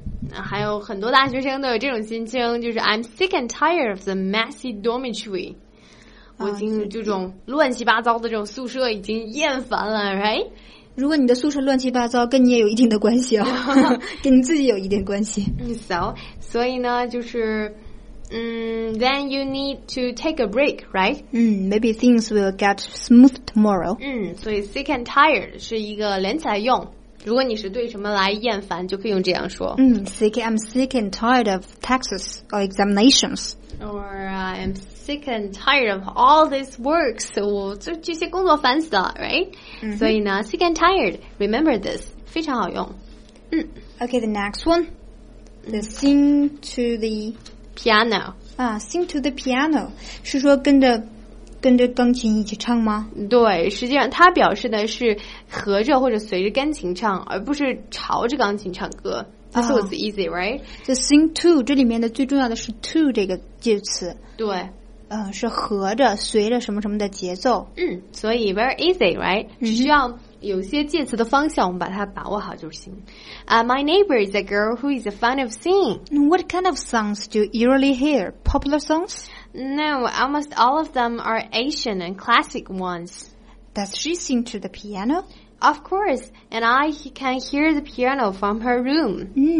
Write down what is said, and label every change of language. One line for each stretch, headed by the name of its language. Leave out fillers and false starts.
Chinese: 还有很多大学生都有这种心情，就是
English: I'm sick and tired of the messy dormitory，
Chinese: 我已经这种乱七八糟的这种宿舍已经厌烦了 ，right？如果你的宿舍乱七八糟，跟你也有一定的关系哦，跟你自己有一定关系。所以呢，就是，
English: then you need to take a break, right? Maybe things will get smooth tomorrow.
Chinese: 所以 sick and tired 是一个连起来用。如果你是对什么来厌烦，就可以用这样说。
English: I'm sick and tired of taxes or examinations. Or I'm sick and tired of all this work.
Chinese: So 这些工作烦死了 ，right？ 所以呢 ，
English: sick and tired. Remember this，
Chinese: 非常好用。
English: Okay, the next one. The sing to the piano. Sing to the piano
Chinese: 是说跟着跟着钢琴一起唱吗？对，实际上他表示的是合着或者随着钢琴唱，而不是朝着钢琴唱歌。
English: That's what's easy, right? So sing to,
Chinese: 这里面的最重要的是 to 这个介词。对。是合着随着什么什么的节奏。嗯，所以
English: very easy, right?
Chinese: 只需要有些介词的方向我们把它把握好就行。
English: My neighbor is a girl who is a fan of singing. What kind of songs do you usually hear? Popular songs? No, almost all of them are Asian and classic ones. Does she sing to the piano? Of course, and I can hear the piano from her room.